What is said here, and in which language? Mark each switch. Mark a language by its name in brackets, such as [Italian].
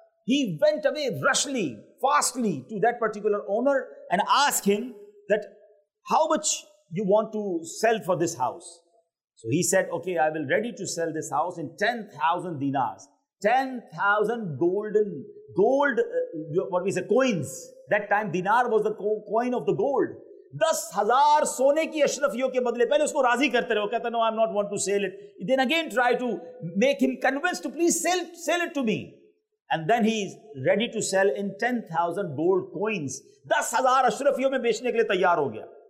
[English] He went away rashly, fastly to that particular owner and asked him that how much you want to sell for this house. So he said, okay, I will ready to sell this house in 10,000 dinars. 10,000 coins. That time dinar was the coin of the gold. [Urdu] 10,000 سونے کی اشرفیوں کے بدلے پہلے اس کو راضی کرتے رہے, وہ کہتا [English] no, I'm not want to sell it. Then again try to make him convinced to please sell it to me. And then he is ready to sell in 10,000 gold coins. [Urdu] 10,000 اشرفیوں میں بیچنے کے لیے تیار ہو گیا.